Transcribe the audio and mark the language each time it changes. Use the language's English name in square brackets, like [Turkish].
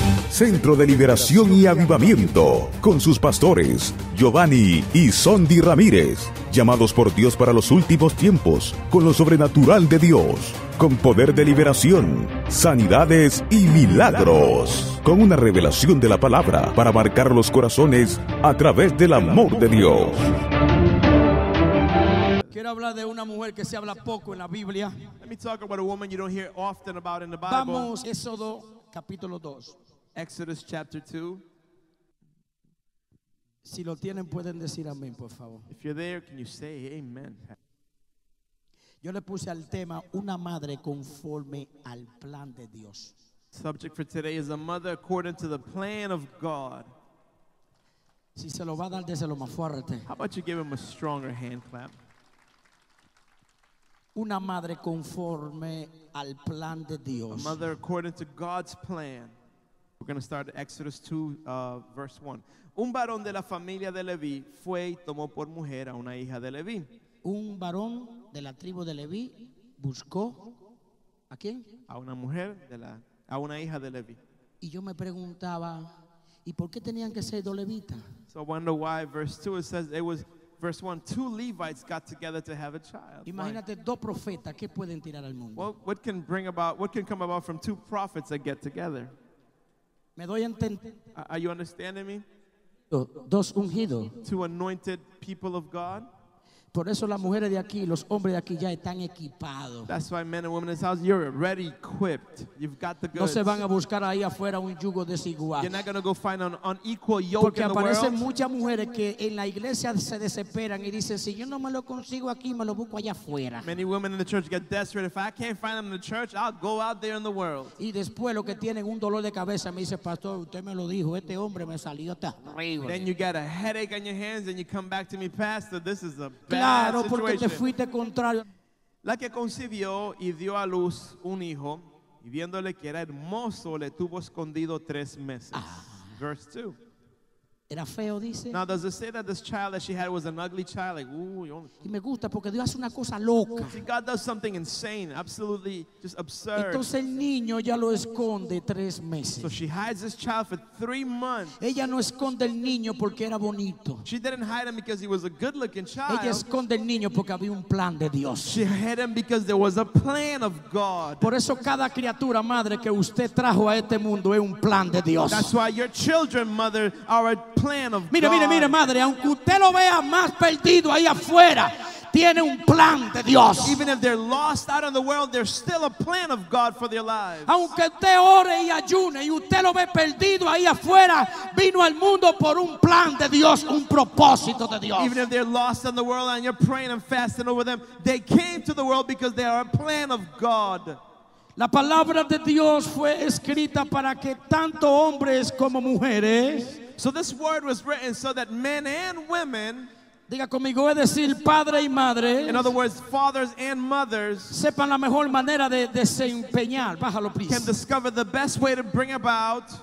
[Spanish] Centro de Liberación y Avivamiento, con sus pastores, Geovanny y Sondy Ramírez, llamados por Dios para los últimos tiempos, con lo sobrenatural de Dios, con poder de liberación, sanidades y milagros, con una revelación de la palabra para marcar los corazones a través del amor de Dios. Quiero hablar de una mujer que se habla poco en la Biblia. [English] Let me talk about a woman you don't hear often about in the Bible. [Spanish] Vamos, Éxodo capítulo 2. [English] Exodus chapter 2. [Spanish] Si lo tienen, pueden decir amén, por favor. [English] If you're there, can you say amen? [Spanish] Yo le puse al tema una madre conforme al plan de Dios. [English] Subject for today is a mother according to the plan of God. [Spanish] Si se lo va a dar, déselo más fuerte. [English] How about you give him a stronger hand clap? [Spanish] Una madre conforme al plan de Dios. [English] A mother according to God's plan. We're going to start Exodus 2, verse 1. [Spanish] Un varón de la familia de Leví fue y tomó por mujer a una hija de Leví. Un varón de la tribu de Leví buscó ¿a quién? A una mujer de la a una hija de Leví. Y yo me preguntaba, ¿y por qué tenían que ser dos levitas? [English] So I wonder why verse 2 it says it was verse 1, two Levites got together to have a child. [Spanish] Imagínate dos profetas, ¿qué pueden tirar al mundo? [English] Well, what can bring about, what can come about from two prophets that get together? [Spanish] ¿Me doy a entender? [English] Are you understanding me? [Spanish] Dos ungidos. [English] Two anointed people of God. [Spanish] Por eso las mujeres de aquí, los hombres de aquí ya están equipados. [English] That's why men and women in this house, you're ready, equipped. You've got the goods. [Spanish] No se van a buscar ahí afuera un yugo desigual. [English] You're not going to go find an unequal yoke in the world. [Spanish] Porque aparecen muchas mujeres que en la iglesia se desesperan y dicen, si yo no me lo consigo aquí, me lo busco allá afuera. [English] Many women in the church get desperate. If I can't find them in the church, I'll go out there in the world. [Spanish] Y después lo que tienen un dolor de cabeza, me dice, pastor, usted me lo dijo, este hombre me salió terrible. [English] Then you got a headache on your hands and you come back to me, pastor, this is a bad. [Spanish] Claro, porque te fuiste contrario. La que concibió y dio a luz un hijo, y viéndole que era hermoso, le tuvo escondido tres meses. Ah. [English] Verse 2. [Spanish] Era feo, dice. [English] Now, does it say that this child that she had was an ugly child? Like, [Spanish] y me gusta porque Dios hace una cosa loca. [English] See, God does something insane, absolutely just absurd. [Spanish] Entonces el niño ya lo esconde tres meses. [English] So she hides this child for 3 months. [Spanish] Ella no esconde el niño porque era bonito. [English] She didn't hide him because he was a good-looking child. [Spanish] Ella esconde el niño porque había un plan de Dios. [English] She hid him because there was a plan of God. [Spanish] Por eso cada criatura, madre, que usted trajo a este mundo es un plan de Dios. [English] That's why your children, mother, are a plan of [Spanish] mire, [English] God. [Spanish] Mire, mire, madre, aunque usted lo vea más perdido ahí afuera, tiene un plan de Dios. [English] Even if they're lost out in the world, there's still a plan of God for their lives. [Spanish] Aunque usted ore y ayune y usted lo ve perdido ahí afuera, vino al mundo por un plan de Dios, un propósito de Dios. [English] Even if they're lost in the world and you're praying and fasting over them, they came to the world because they are a plan of God. [Spanish] La palabra de Dios fue escrita para que tanto hombres como mujeres. [English] So this word was written so that men and women, [Spanish] diga conmigo, es decir, padre y madre, [English] in other words, fathers and mothers, [Spanish] sepan la mejor manera de desempeñar, bájalo, please, [English] can discover the best way to bring about